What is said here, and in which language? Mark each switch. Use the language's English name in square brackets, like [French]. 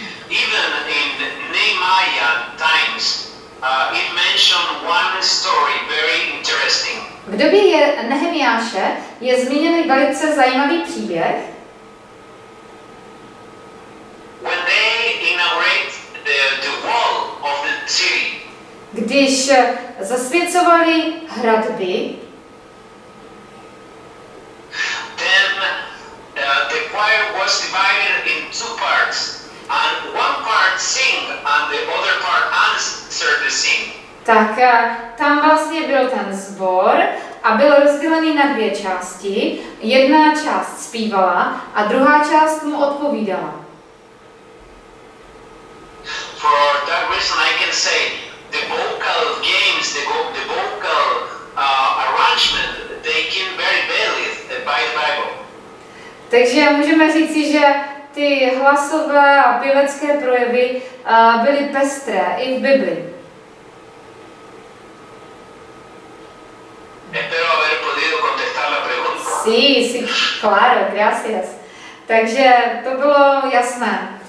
[English] Even in Nehemiah times, it mentioned one story, very interesting. [Czech] V době Nehemiáše je zmíněný velice zajímavý příběh. [English] When they inaugurate the wall of the city. [Czech] Když zasvěcovali hradby. [English] Then the choir was divided in two parts. And one part sing and the other part answer the sing. [Czech] Tak tam vlastně byl ten sbor a byl rozdělený na dvě části. Jedna část zpívala a druhá část mu odpovídala. [English] For that reason I can say the vocal games, the vocal arrangement, they came very badly by the Bible. [Czech] Takže můžeme říci, že ty hlasové a pěvecké projevy byly pestré i v Bibli. [Spanish] Espero haber podido contestar la pregunta. Sí, claro, gracias. [Czech] Takže to bylo jasné.